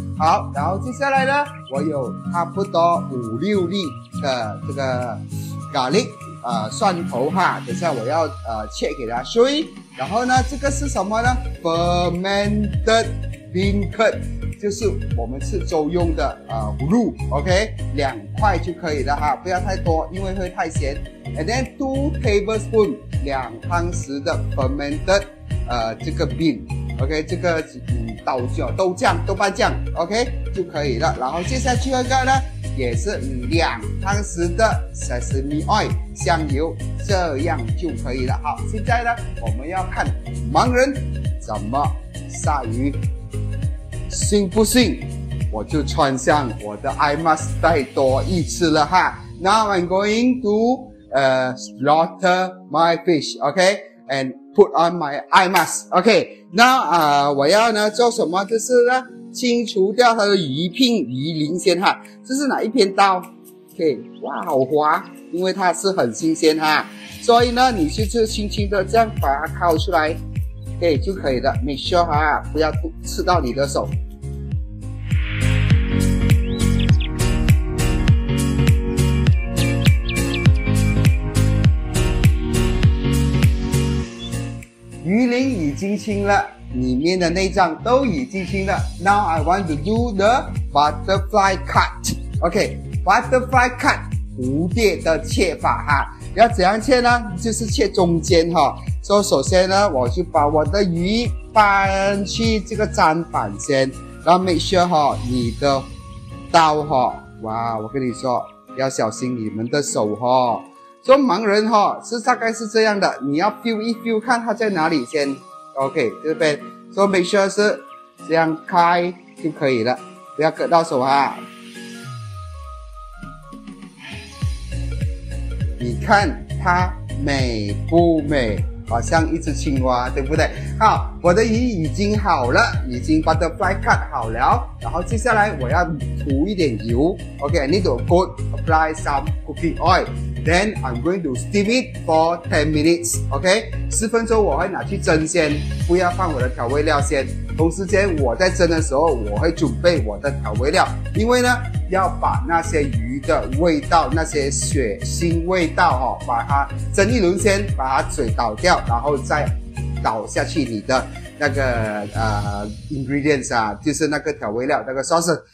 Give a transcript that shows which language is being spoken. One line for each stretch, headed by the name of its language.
Chinese: 好，然后接下来呢，我有差不多5-6粒的这个 garlic， 蒜头哈，等下我要切给它
English: show you。
Chinese: 然后呢，这个是什么呢 ？
English: Fermented bean curd，
Chinese: 就是我们吃粥用的卤 ，OK， 两块就可以了哈，不要太多，因为会太咸。
English: And then 2 tablespoon
Chinese: 两汤匙的
English: fermented
Chinese: 这个
English: bean。
Chinese: OK， 这个豆瓣酱 OK 就可以了。然后接下去一个呢，也是两汤匙的 sesame oil 香油，这样就可以了。好，现在呢我们要看盲人怎么杀鱼，信不信我就穿上我的 eye mask 再多一次了哈。
English: Now I'm going to slaughter my fish OK and put on my eye mask OK。
Chinese: 那我要呢做什么？就是呢清除掉它的鱼片鱼鳞先哈。这是哪一片刀 ？OK， 哇，好滑，因为它是很新鲜哈。所以呢，你就是轻轻的这样把它抠出来 ，OK 就可以了。
English: Make sure
Chinese: 哈，不要刺到你的手。鱼鳞已经清了，里面的内脏都已经清了。
English: Now I want to do the butterfly cut.
Chinese: OK, butterfly cut 蝴蝶的切法哈，要怎样切呢？就是切中间哈。所以首先呢，我就把我的鱼搬去这个砧板先，然后
English: make sure
Chinese: 哈，你的刀哈，哇，我跟你说，要小心你们的手哈。说盲人齁、哦、是大概是这样的，你要 feel 一 feel 看它在哪里先 OK 这边，说
English: make sure
Chinese: 是这样开就可以了，不要割到手啊。你看它美不美，好像一只青蛙，对不对？好，我的鱼已经好了，已经 butterfly cut 好了，然后接下来我要涂一点油
English: OK, I need to go apply some cooking oilThen I'm going to steam it for 10 minutes, OK?
Chinese: 10分钟我会拿去蒸先，不要放我的调味料先。同时间我在蒸的时候，我会准备我的调味料，因为呢，要把那些鱼的味道，那些血腥味道、哦、把它蒸一轮先，把它水倒掉，然后再倒下去你的那个ingredients 啊，就是那个调味料那个 sauce。